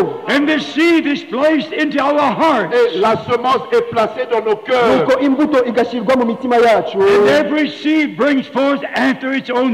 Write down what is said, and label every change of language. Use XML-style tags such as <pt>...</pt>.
<en>And the seed is placed into our hearts.</en> <fr>Et la semence est placée dans nos cœurs.</fr> <en>And every seed brings forth after its own</en>